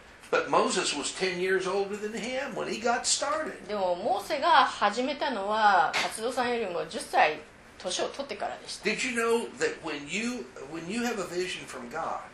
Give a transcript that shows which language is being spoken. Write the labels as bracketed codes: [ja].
[en] But Moses was 10 years older than him when he got started. [ja] でも、モーセが始めたのはカズオさんよりも10歳年を取ってからでした。 [en] Did you know that when you have a vision from God?